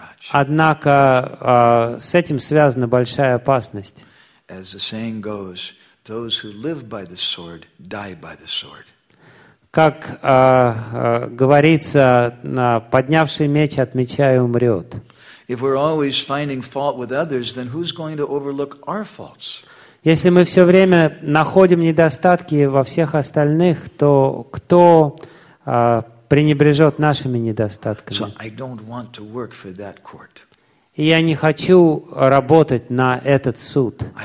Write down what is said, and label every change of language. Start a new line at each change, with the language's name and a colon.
Russian: Однако с этим связана большая опасность. Как говорится, поднявший меч от меча и умрет.
English: If we're always finding fault with others, then who's going to overlook our faults?
Russian: Если мы все время находим недостатки во всех остальных, то кто пренебрежет нашими недостатками?
English: So
Russian: я не хочу работать на этот суд.